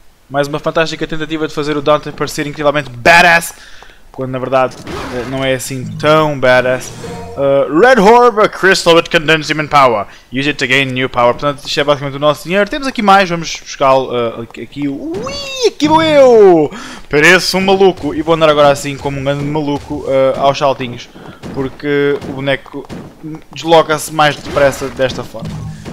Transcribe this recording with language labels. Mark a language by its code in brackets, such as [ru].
[pt] Mais uma fantástica tentativa de fazer o Dante parecer incrivelmente badass, quando na verdade não é assim tão badass. [en] Red Orb, a crystal with condensed demon power. Use it to gain new power. [pt] Portanto, isto é basicamente o nosso dinheiro. Temos aqui mais, vamos buscá-lo aqui. Ui, aqui vou eu! Pareço um maluco e vou andar agora assim como um grande maluco aos saltinhos, porque o boneco desloca-se mais depressa desta forma.